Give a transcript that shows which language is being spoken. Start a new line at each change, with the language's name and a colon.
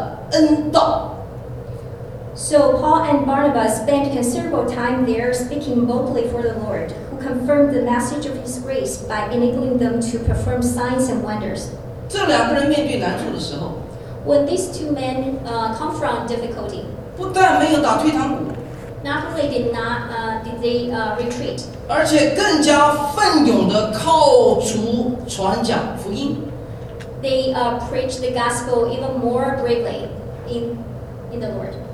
Chinese: 放胆讲道，主借他们的手施行神迹奇事，证明他的恩道。So
English: Paul and Barnabas spent considerable time there speaking boldly for the Lord, who confirmed the message of his grace by enabling them to perform signs and wonders.
Chinese: 这两个人面对难处的时候，
English: When these two men confront difficulty,
Chinese: 不但没有打退堂鼓，
English: Not only did not did they retreat,
Chinese: 而且更加奋勇地靠主传讲福音。
English: They preach the gospel even more bravely in the Lord.